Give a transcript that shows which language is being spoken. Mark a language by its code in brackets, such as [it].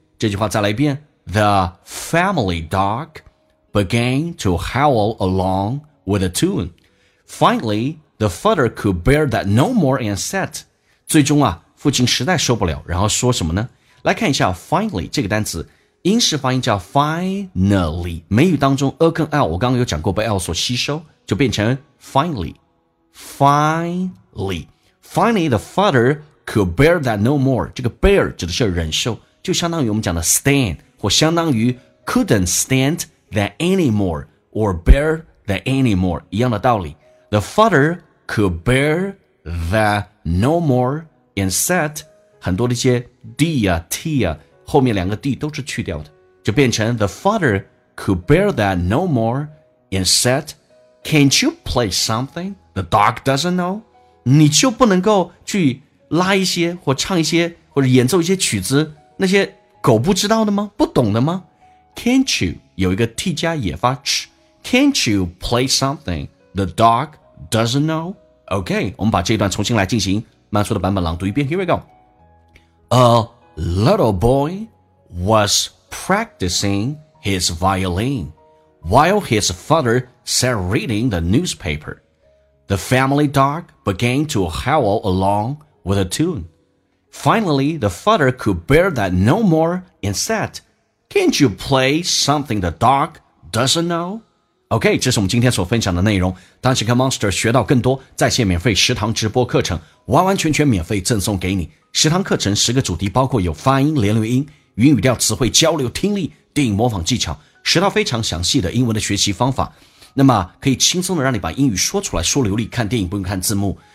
[zh] 这句话再来一遍， [en] The family dog began to howl along with a tune. Finally, the father could bear that no more and said. [zh] 最终啊，父亲实在受不了，然后说什么呢？来看一下 finally 这个单词，英式发音叫 finally， 美语当中 跟 l 我刚刚有讲过被 l 所吸收，就变成 finally. [en] Finally, the father could bear that no more. [zh] 这个 bear 指的是忍受，就相当于我们讲的 stand， 或相当于 [en] couldn't stand that anymore [zh] or bear that anymore 一样的道理。 [en] The father could bear that no more and said， [zh] 很多的一些 D 啊 T 啊后面两个 D 都是去掉的，就变成 [en] The father could bear that no more and said， Can't you play something the dog doesn't know？ [zh] 你就不能够去拉一些或唱一些或者演奏一些曲子那些狗不知道的吗？不懂的吗？ [en] Can't you [zh] 有一个 T 加也发 [en] Can't you play something the dog doesn't know? [zh] Okay, 我们把这一段重新来进行慢速的版本朗读一遍。 [en] Here we go. A little boy was practicing his violin while his father sat reading the newspaper. The family dog began to howl along with a tune. Finally, the father could bear that no more and said, Can't you play something the dog doesn't know? [zh] OK, 这是我们今天所分享的内容。当时跟 Monster 学到更多在线免费十堂直播课程完完全全免费赠送给你。十堂课程十个主题包括有发音、连留音、云语调、词汇、交流、听力、电影模仿技巧。十套非常详细的英文的学习方法。那么可以轻松的让你把英语说出来说流利看电影不用看字幕。